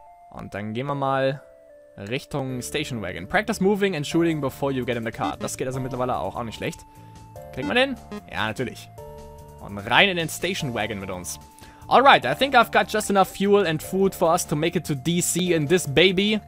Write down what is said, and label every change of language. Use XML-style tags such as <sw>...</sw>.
<de>Und dann gehen wir mal Richtung Station Wagon.</de> <en>Practice moving and shooting before you get in the car.</en> <de>Das geht also mittlerweile auch nicht schlecht. Kriegen wir den? Ja, natürlich. Und rein in den Station Wagon mit uns.</de> <en>Alright, I think I've got just enough fuel and food for us to make it to DC in this baby.</en>